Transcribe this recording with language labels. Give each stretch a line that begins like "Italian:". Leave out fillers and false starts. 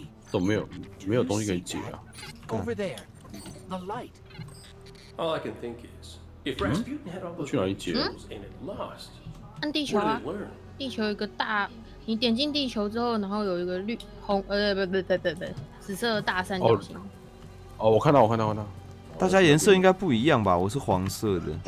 Chinese: 都没有，没有东西可以解啊。
English: Over there, the light. All I can think is, if Rasputin had all those tools and it lost,
Chinese: 按地球啊，地球一个大，你点进地球之后，然后有一个绿红，不，紫色的大三角形。哦，我看到，我看到，大家颜色应该不一样吧？我是黄色的，